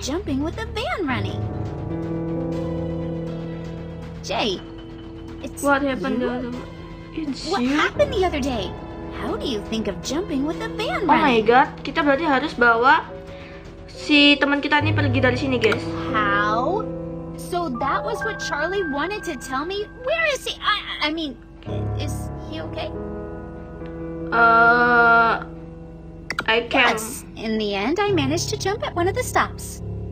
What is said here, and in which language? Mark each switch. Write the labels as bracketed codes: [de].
[en] Jumping with the van running. Jay. What happened the other day? What happened the other day? How do you think of jumping with the van running? [id] Oh my god, kita berarti harus bawa si teman kita ini pergi dari sini, guys. [en] How? So that was what Charlie wanted to tell me. Where is he? I mean, is he okay? I can't. But in the end, I managed to jump at one of the stops.